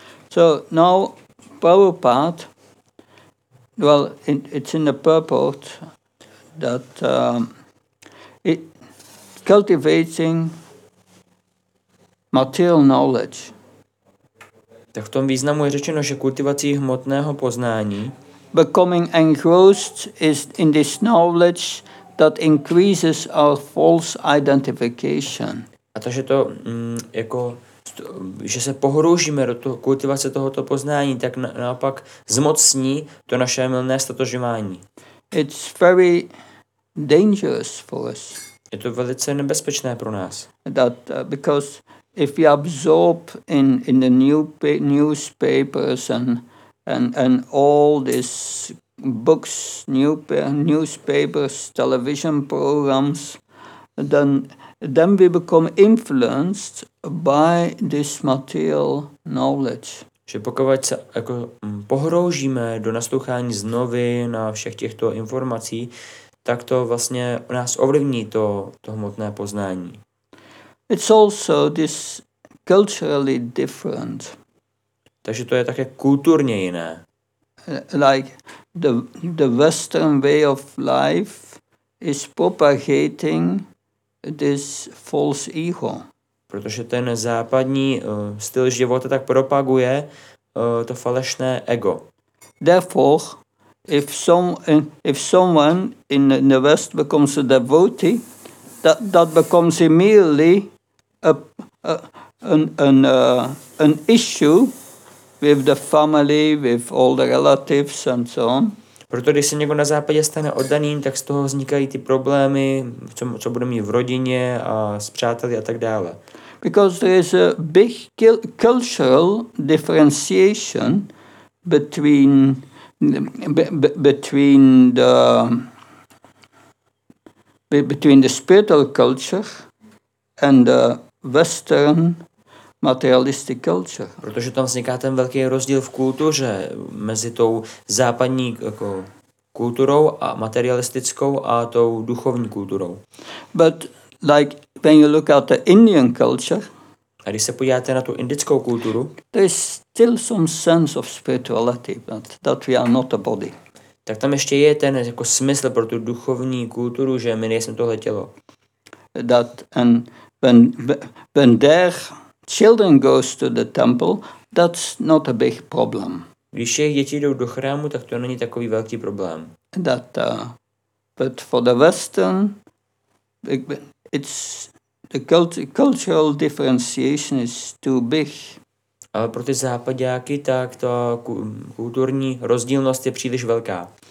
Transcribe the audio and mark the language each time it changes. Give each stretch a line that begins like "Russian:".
English: So now Prabhupada, well, it's in the purport that it cultivating material knowledge.
Czech: Tak v tom významu je řečeno, že kultivací hmotného poznání.
English: Becoming engrossed is in this knowledge that increases our false identification.
Czech: A to, že to jako že se pohroužíme do toho kultivace tohoto poznání, tak naopak zmocní to naše mylné statožování.
English: It's very dangerous for us.
Czech: Je to velice nebezpečné pro nás.
English: That because if we absorb in the newspapers and all these books, newspapers, television programs, then we become influenced by this material knowledge.
Czech: Že pokud se jako pohroužíme do naslouchání z novin a všech těchto informací, tak to vlastně nás ovlivní to hmotné poznání.
English: It's also this culturally different.
Czech: Takže to je také kulturně jiné.
English: Like the Western way of life is propagating this false ego.
Czech: Protože ten západní styl života tak propaguje to falešné ego.
English: Therefore, if someone in the West becomes a devotee, that becomes immediately an issue with the family, with all the relatives and so on.
Czech: Proto když se někdo na západě stane oddaným, tak z toho vznikají ty problémy, co bude mít v rodině a s přáteli a tak dále.
English: Because there is a big cultural differentiation between the spiritual culture and the Western materialistic culture.
Czech: Protože tam vzniká ten velký rozdíl v kultuře mezi tou západní jako kulturou a materialistickou a tou duchovní kulturou.
English: But like when you look at the Indian culture,
Czech: a když se podíváte na tu indickou kulturu,
English: there is still some sense of spirituality, but that we are not a body.
Czech: Tak tam ještě je ten jako smysl pro tu duchovní kulturu, že my nejsme tohle tělo.
English: That and when their children go to the temple, that's not a big problem.
Czech: Když jejich děti jdou do chrámu, tak to není takový velký problém.
English: That, but for the Western, it's the cultural differentiation is too big.
Czech: Ale pro ty západňáky, tak ta kulturní rozdílnost je příliš velká.